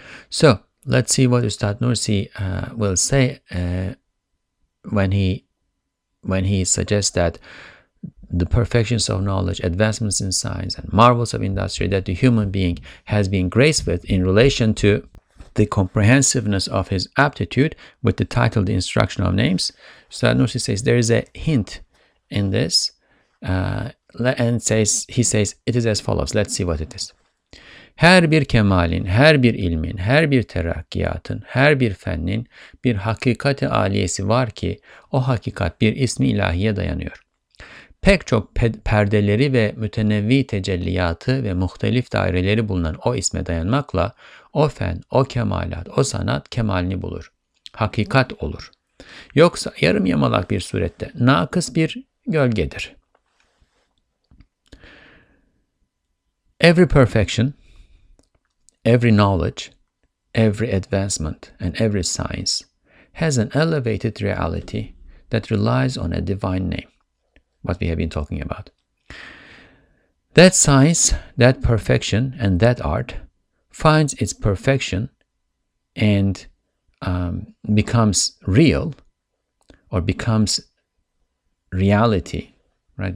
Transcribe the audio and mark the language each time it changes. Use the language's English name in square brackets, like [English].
[English] So let's see what Ustad Nursi will say when he suggests that the perfections of knowledge, advancements in science, and marvels of industry that the human being has been graced with in relation to the comprehensiveness of his aptitude with the title, The Instruction of Names. Ustad Nursi says there is a hint in this, and says, he says, it is as follows. Let's see what it is. [Turkish] Her bir kemalin, her bir ilmin, her bir terakkiyatın, her bir fennin bir hakikati aliyesi var ki o hakikat bir ismi ilahiye dayanıyor. Pek çok perdeleri ve mütenevvi tecelliyatı ve muhtelif daireleri bulunan o isme dayanmakla o fen, o kemalat, o sanat kemalini bulur. Hakikat olur. Yoksa yarım yamalak bir surette, nakıs bir gölgedir. [English] Every perfection, every knowledge, every advancement and every science has an elevated reality that relies on a divine name. What we have been talking about. That science, that perfection, and that art finds its perfection and becomes real, or becomes reality, right?